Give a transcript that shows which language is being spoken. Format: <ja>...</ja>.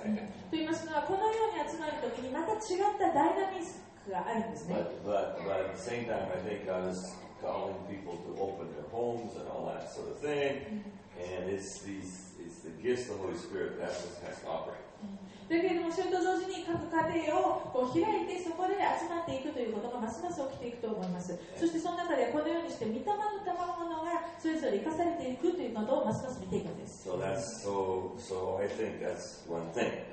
<ja>と言いますのは、このように集まるときにまた違ったダイナミックがあるんですね。</ja> <en>But at the same time, I think God is calling people to open their homes and all that sort of thing. And it's the gift of the Holy Spirit that has to operate.</en> <ja>だけれども、それと同時に各家庭をこう開いて、そこで集まっていくということがますます起きていくと思います。そしてその中で、このようにして御霊の賜物がそれぞれ生かされていくということをますます見ていくんです。</ja> <en>So that's, so I think that's one thing.</en>